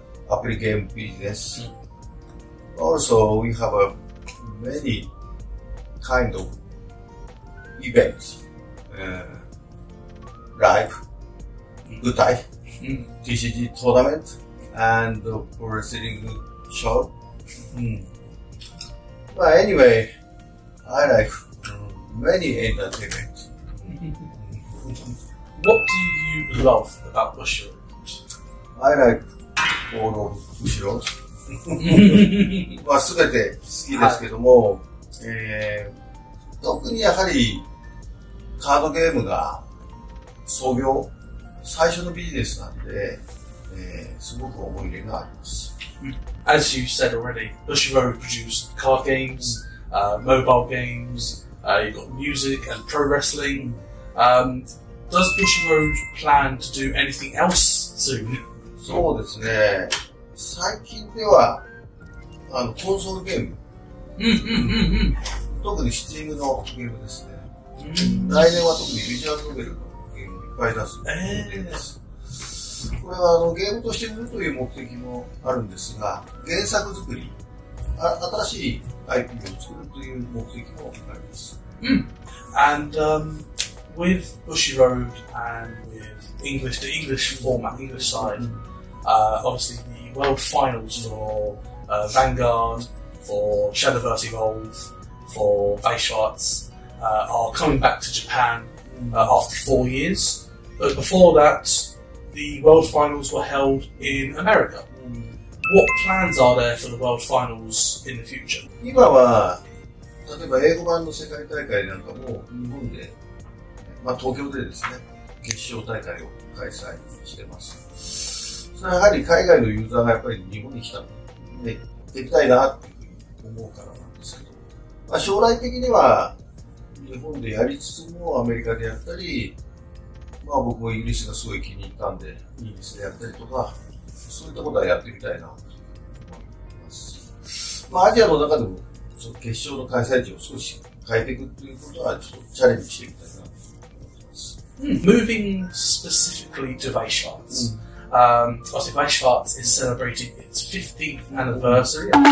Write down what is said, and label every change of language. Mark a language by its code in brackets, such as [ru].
[en] Apple game business. Also, we have many kind of events, live, Gutai, TCG tournament, and pro wrestling show. But anyway, I like many entertainment. What do you love about Bushiroad? I like all of Bushiroad. [ja] まあ、全て好きですけども、特にやはりカードゲームが創業最初のビジネスなんで、すごく思い入れがあります。 [en] As you said already, Bushiroad produced card games, mobile games, you've got music and pro wrestling. Does Bushiroad plan to do anything else soon? [ja] そうですね。最近では、コンソールゲーム。特にスチームのゲームですね。来年は特にビジュアルノベルのゲームをいっぱい出すゲームです。これはゲームとして売るという目的もあるんですが、原作作り、新しい IP を作るという目的もあります。 [en] And, with Bushiroad and with English, the English format, English side, obviously the world finals for Vanguard, for Shadowverse Evolve, for Vice Arts are coming back to Japan after 4 years. But before that, the world finals were held in America. What plans are there for the world finals in the future? [ja] 今は、例えば英語版の世界大会なんかも日本で、まあ、東京でですね、決勝大会を開催してます。それはやはり海外のユーザーがやっぱり日本に来たので、行きたいなっていうふうに思うからなんですけど、まあ、将来的には日本でやりつつもアメリカでやったり、まあ僕もイギリスがすごい気に入ったんで、イギリスでやったりとか、そういったことはやってみたいなと思います。まあアジアの中でもその決勝の開催地を少し変えていくっていうことはちょっとチャレンジしてみたいな。 [en] Moving specifically to Weisschwarz. Obviously, Weisschwarz is celebrating its 15th anniversary.